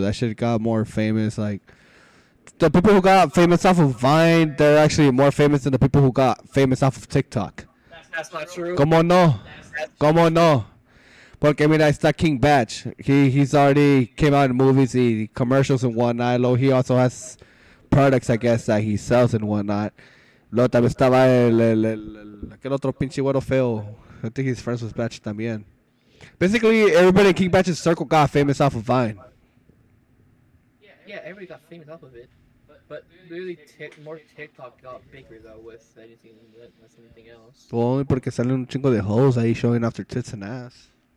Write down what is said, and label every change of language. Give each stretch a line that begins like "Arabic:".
English: That shit got more famous. Like, the people who got famous off of Vine, they're actually more famous than the people who got famous off of TikTok. That's not true.
Spanish: Como no? Como no? Porque,
English: I mean, it's that King Batch. He's already came out in movies, commercials and whatnot. Lo, he also has products, I guess, that he sells and whatnot.
Spanish: Lo, también estaba aquel otro pinche güero feo.
English: I think he's friends with Batch también. Basically, everybody in King Batch's circle got famous off of Vine. Yeah, Yeah, everybody got famous off of it. But literally, more TikTok got bigger, though, with anything less than anything else. Well, only
Spanish: porque salen un chingo de
English: hoes
Spanish: ahí
English: showing off their tits and ass.